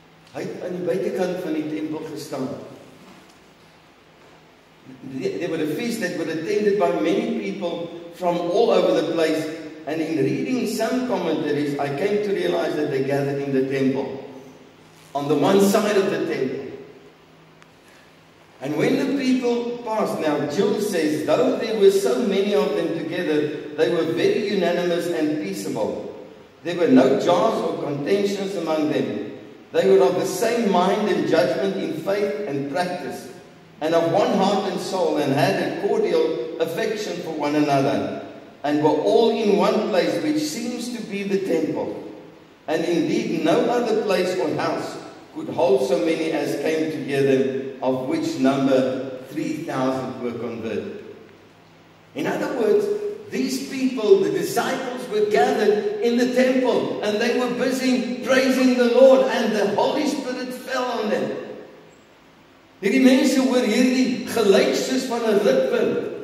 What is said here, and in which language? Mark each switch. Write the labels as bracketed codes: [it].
[af] Hy het aan die buitekant van die tempel gestaan. [en] There were a feast that were attended by many people from all over the place, and in reading some commentaries, I came to realize that they gathered in the temple, on the one side of the temple. And when the people passed, now Jill says, though there were so many of them together, they were very unanimous and peaceable. There were no jars or contentions among them. They were of the same mind and judgment in faith and practice, and of one heart and soul, and had a cordial affection for one another, and were all in one place, which seems to be the temple. And indeed, no other place or house could hold so many as came together, of which number 3,000 were converted. In other words, these people, the disciples, were gathered in the temple, and they were busy praising the Lord, and the Holy Spirit fell on them. [af] Hierdie mense hoor hierdie geluid soos van 'n rukwind.